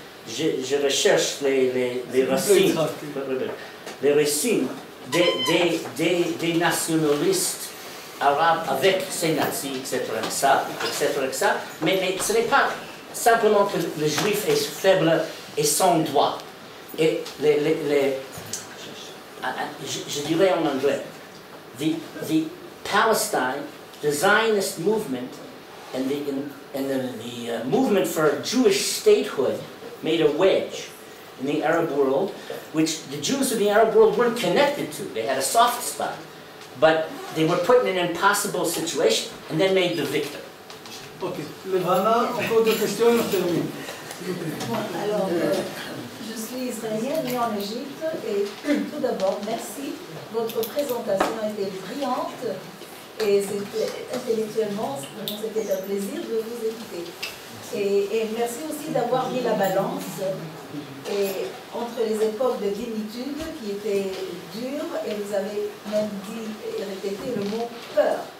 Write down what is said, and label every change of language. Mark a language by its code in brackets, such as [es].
[fr] Je recherche les racines, les racines des nationalistes arabes avec ces nazis, etc. etc., etc. Mais ce n'est pas simplement que le juif est faible et sans droit. Et je dirais en anglais, [en] the Palestine, the Zionist movement, and the movement for a Jewish statehood made a wedge in the Arab world, which the Jews of the Arab world weren't connected to. They had a soft spot, but they were put in an impossible situation and then made the victim. [fr] Ok, Levana, encore deux questions et on termine. Bon, alors, je suis israélienne, née en Égypte, et tout d'abord, merci. Votre présentation a été brillante et c'était intellectuellement, vraiment, c'était un plaisir de vous écouter. Et merci aussi d'avoir mis la balance et, entre les époques de guénitude qui étaient dures, et vous avez même dit et répété le mot peur.